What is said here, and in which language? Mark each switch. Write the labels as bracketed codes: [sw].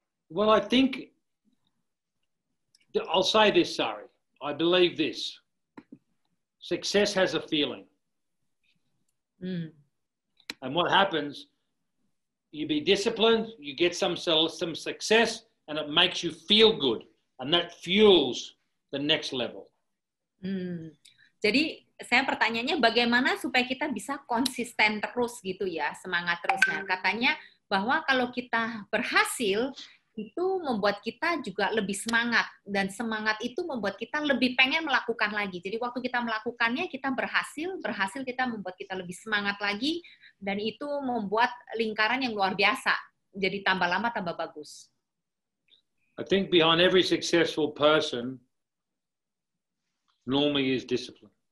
[en] Well, I think, I'll say this, Sari. I believe this. Success has a feeling. Mm. And what happens, you be disciplined, you get some success, and it makes you feel good. And that fuels the next level. Hmm. [id] Jadi, saya pertanyaannya bagaimana supaya kita bisa konsisten terus gitu ya, semangat terus. Nah, katanya bahwa kalau kita berhasil, itu membuat kita juga lebih semangat. Dan semangat itu membuat kita lebih pengen melakukan lagi. Jadi, waktu kita melakukannya, kita berhasil kita membuat kita lebih semangat lagi, dan itu membuat lingkaran yang luar biasa. Jadi tambah lama tambah bagus. [en] I think behind every successful person normally is discipline.